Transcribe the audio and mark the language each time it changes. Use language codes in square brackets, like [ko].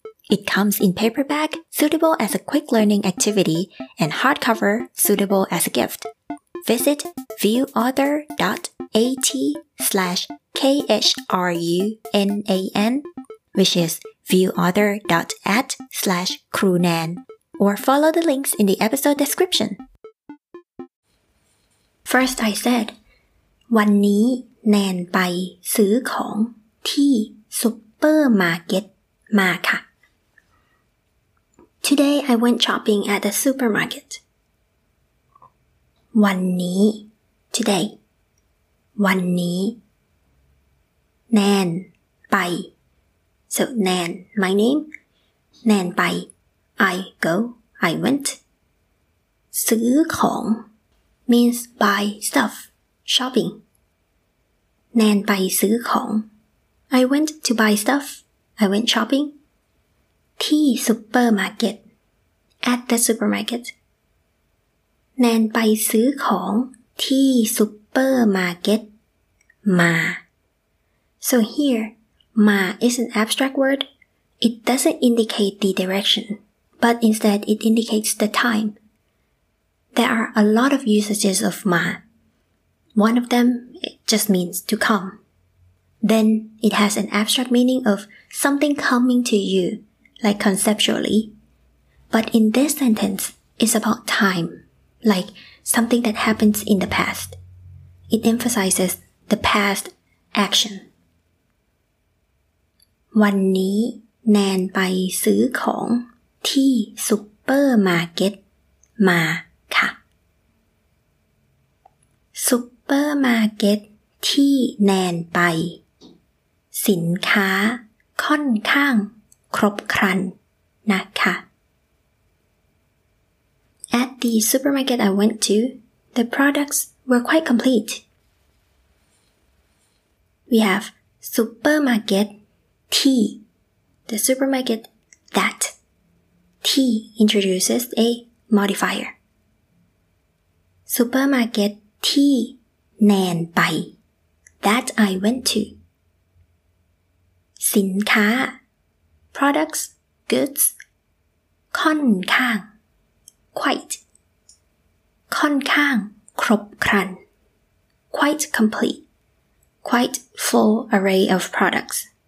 [en] It comes in paperback, suitable as a quick learning activity, and hardcover, suitable as a gift. Visit viewauthor.at/krunan, which is viewauthor.at/krunan. Or follow the links in the episode description. [th] First, I said, วันนี้แนนไปซื้อของที่ซุปเปอร์มาร์เก็ตมาค่ะ [en] Today, I went shopping at the supermarket. วันนี้ Today, วันนี้แนนไป So, แนน my name, แนนไป I went. ซื้อของ means buy stuff, shopping. แนนไปซื้อของ I went to buy stuff, I went shopping. ที่ซุปเปอร์มาร์เก็ต at the supermarket. [th] แนนไปซื้อของที่ซุปเปอร์มาร์เก็ตมา [en] So here, มา is an abstract word. It doesn't indicate the direction. But instead, it indicates the time. There are a lot of usages of ma. One of them just means to come. Then it has an abstract meaning of something coming to you, like conceptually. But in this sentence, it's about time, like something that happens in the past. It emphasizes the past action. [th] วันนี้แนนไปซื้อของที่ซุปเปอร์มาร์เก็ตมาค่ะซุปเปอร์มาร์เก็ตที่แนนไปสินค้าค่อนข้างครบครันนะคะ [en] At the supermarket I went to, the products were quite complete. We have ซุปเปอร์มาร์เก็ตที่ the supermarket thatT introduces a modifier. Supermarket T แนนไป that I went to. สินค้า products, goods, ค่อนข้าง quite, ค่อนข้างครบครัน quite complete, quite full array of products.